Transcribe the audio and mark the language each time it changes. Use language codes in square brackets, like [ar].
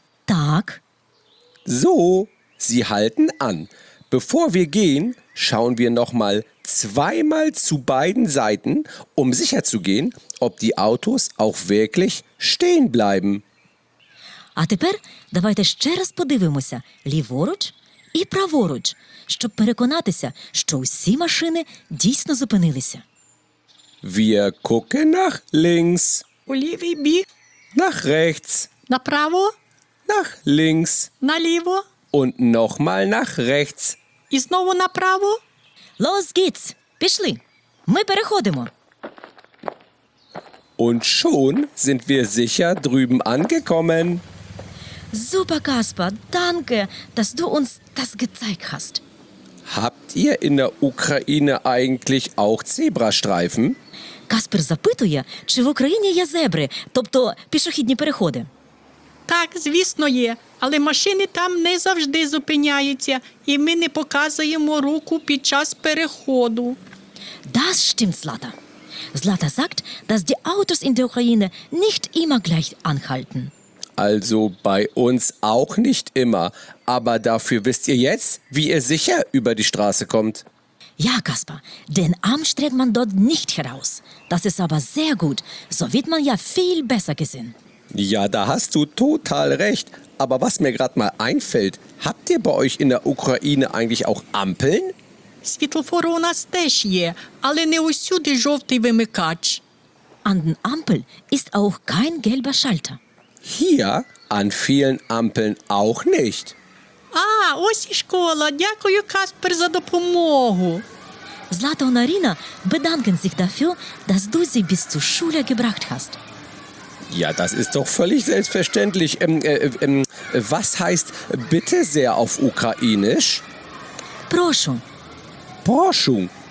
[uk] Так. [de] So, sie halten an. Bevor wir gehen, schauen wir nochmal zweimal zu beiden Seiten, um sicher zu gehen, ob die Autos auch wirklich stehen bleiben. [uk] А тепер давайте ще раз подивимося ліворуч і праворуч, щоб переконатися, що усі машини дійсно зупинилися. [de] Wir gucken nach links. [uk] У лівий бік. [de] Nach rechts. [uk] Направо. [de] Nach links. [uk] Наліво. [de] Und nochmal nach rechts. [uk] І знову направо. [de] Los geht's. [uk] Пішли. Ми переходимо. [de] Und schon sind wir sicher drüben angekommen. Super, Kasper. Danke, dass du uns das gezeigt hast. Habt ihr in der Ukraine eigentlich auch Zebrastreifen? [uk] Каспер запитує, чи в Україні є зебри, тобто пішохідні переходи. Так, звісно, є, але машини там не завжди зупиняються, і ми не показуємо руку під час переходу. [de] Das stimmt, Злата. Злата sagt, dass die Autos in der Ukraine nicht immer gleich anhalten. Also bei uns auch nicht immer, aber dafür wisst ihr jetzt, wie ihr sicher über die Straße kommt. Ja, Kasper, den Arm streckt man dort nicht heraus. Das ist aber sehr gut. So wird man ja viel besser gesehen. Ja, da hast du total recht. Aber was mir gerade mal einfällt, habt ihr bei euch in der Ukraine eigentlich auch Ampeln? [uk] Світлофори у нас теж є, але не усюди жовтий вимикач. [de] An den Ampeln ist auch kein gelber Schalter. Hier an vielen Ampeln auch nicht. [uk] Ah, ось і школа. Дякую, Каспер, за допомогу. [de] Злата und Арина bedanken sich dafür, dass du sie bis zur Schule gebracht hast. Ja, das ist doch völlig selbstverständlich. Was heißt bitte sehr auf Ukrainisch? [uk] Прошу. Прошу.